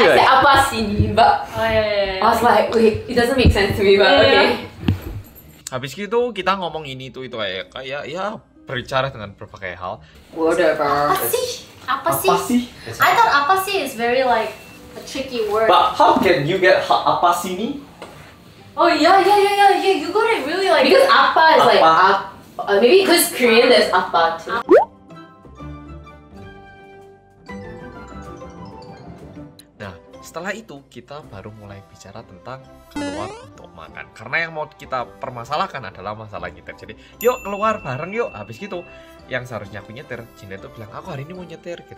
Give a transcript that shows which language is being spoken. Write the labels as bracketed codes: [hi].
[en] I said [id] apa sih ini, [en] but I was like, wait, it doesn't make sense to me, but okay. [id] Habis gitu kita ngomong ini itu kayak ya berbicara dengan berbagai hal. [en] Whatever. [id] Apa sih? [en] I thought apa sih is very like a tricky word. But how can you get [id] apa sih ini? [en] Oh yeah, you got it really like. Because apa is apa. Like maybe because Korean there's apa too. [id] Setelah itu, kita baru mulai bicara tentang keluar untuk makan. Karena yang mau kita permasalahkan adalah masalah nyetir. Jadi, yuk keluar bareng yuk. Habis gitu, yang seharusnya aku nyetir, Jinet tuh bilang, aku hari ini mau nyetir gitu.